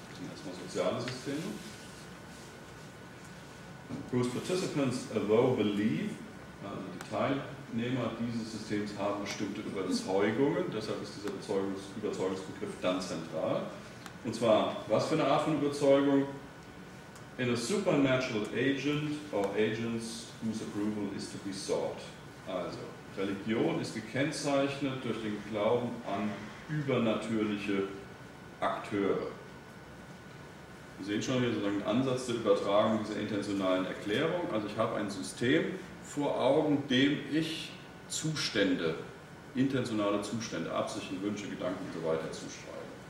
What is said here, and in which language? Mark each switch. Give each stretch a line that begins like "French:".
German: sind erstmal soziale Systeme.
English: Whose participants although believe,
German: also die Teilnehmer dieses Systems haben bestimmte Überzeugungen, deshalb ist dieser Überzeugungsbegriff dann zentral. Und zwar, was für eine Art von Überzeugung?
English: In a supernatural agent or agents whose approval is to be sought.
German: Also, Religion ist gekennzeichnet durch den Glauben an übernatürliche Akteure. Wir sehen schon hier sozusagen einen Ansatz der Übertragung dieser intentionalen Erklärung. Also ich habe ein System vor Augen, dem ich Zustände, intentionale Zustände, Absichten, Wünsche, Gedanken und so weiter zuschreibe.